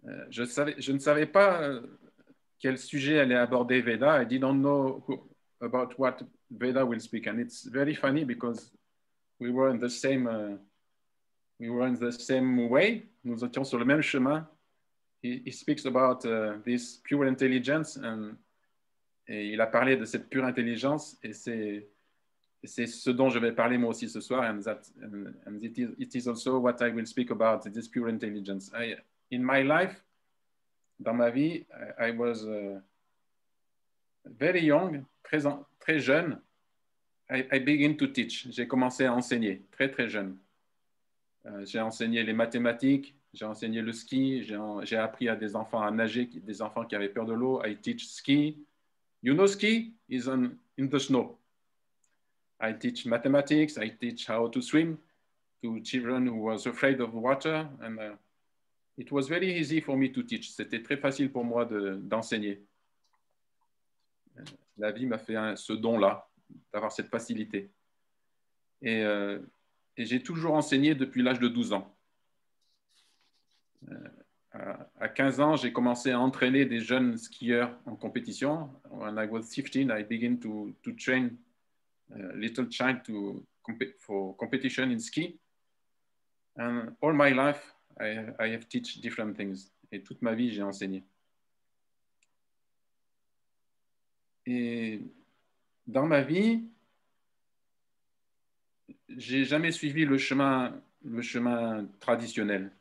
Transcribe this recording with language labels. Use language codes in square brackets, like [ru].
[fr] Je ne savais pas quel sujet allait aborder Veda. [en] I didn't know about what Veda will speak. And it's very funny because we were in the same way. [fr] Nous étions sur le même chemin. [en] He speaks about this pure intelligence [fr] et il a parlé de cette pure intelligence et c'est ce dont je vais parler moi aussi ce soir [en] and it is also what I will speak about, this pure intelligence. In my life, [fr] dans ma vie, [en] I was very young, [fr] très jeune. [en] I begin to teach. [fr] J'ai commencé à enseigner très très jeune. J'ai enseigné les mathématiques, j'ai enseigné le ski, j'ai appris à des enfants à nager, des enfants qui avaient peur de l'eau. [en] I teach ski. You know ski? It's in the snow. I teach mathematics, I teach how to swim to children who was afraid of water. And it was very easy for me to teach. [fr] C'était très facile pour moi d'enseigner. La vie m'a fait ce don-là, d'avoir cette facilité. Et j'ai toujours enseigné depuis l'âge de 12 ans. À 15 ans, j'ai commencé à entraîner des jeunes skieurs en compétition. [en] When I was 15, I began to train little child for competition in ski. And all my life, I have teach different things. [fr] Et toute ma vie, j'ai enseigné. Et dans ma vie, j'ai jamais suivi le chemin traditionnel.